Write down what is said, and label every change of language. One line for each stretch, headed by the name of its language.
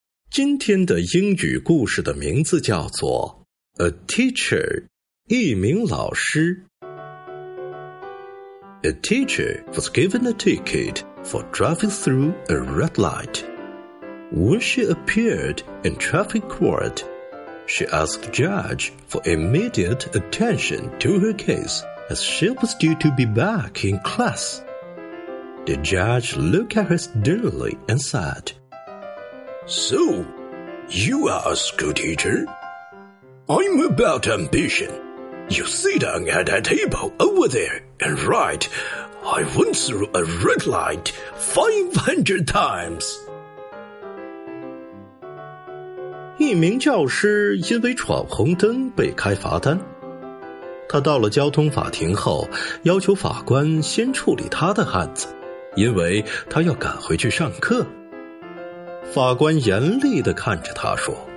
Chinese: 今天的英语故事的名字叫做
English: A teacher,
Chinese: 一名老师。
English: A teacher was given a ticket for driving through a red light. When she appeared in traffic court, she asked judge for immediate attention to her case as she was due to be back in class. The judge looked at her sternly and said, So,You are a school teacher. I'm about ambition. You sit down at that table over there and write, I went through a red light 500 times.
Chinese: 一名教师因为闯红灯被开罚单。他到了交通法庭后，要求法官先处理他的案子，因为他要赶回去上课。法官严厉地看着他说，